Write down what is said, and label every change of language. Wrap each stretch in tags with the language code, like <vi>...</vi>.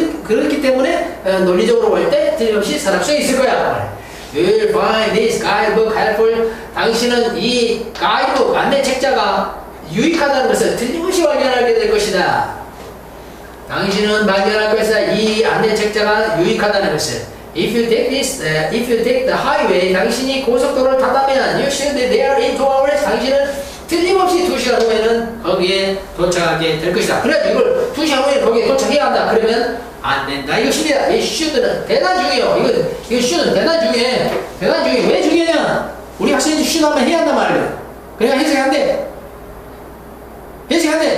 <ko>그렇기 때문에 논리적으로 볼 때 틀림없이 서랍 속에 있을 거야.</ko> <en>You'll find this guidebook helpful.</en> <ko>당신은 이 가이드북 안내책자가 유익하다는 것을 틀림없이 발견하게 될 것이다. 당신은 발견할 것이다. 이 안내책자가 유익하다는 것을.</ko> <en>If you take this, if you take the highway,</en> <ko>당신이 고속도로를 탔다면,</ko> <en>you should be there in 2 hours.</en> <ko>당신은 틀림없이 2시간 후에는 거기에 도착하게 될 것이다. 그래, 이걸 2시간 후에 거기에 도착해야 한다. 그러면 안 된다. 이것입니다. 이 should는 대단 중요해요. 이 should는 대단 중요해. 대단 중요해. 왜 중요해냐? 우리 학생이 should 하면 해야 한단 말이야. 그러니까 해석한대. 해석한대.</ko>